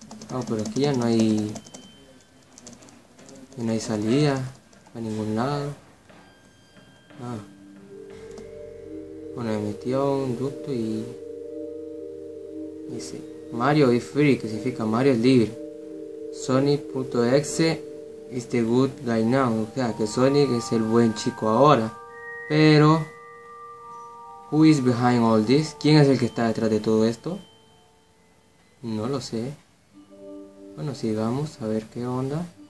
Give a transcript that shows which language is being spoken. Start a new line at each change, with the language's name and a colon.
Spanish: Ah, pero aquí ya no hay. Ya no hay salida a ningún lado. Ah. Bueno, me metió un ducto y dice
English: Mario is free,
Spanish: que significa Mario es libre.
English: Sonic.exe is the good guy now.
Spanish: O sea, que Sonic es el buen chico ahora. Pero
English: who is behind all this?
Spanish: ¿Quién es el que está detrás de todo esto? No lo sé. Bueno, sigamos a ver qué onda.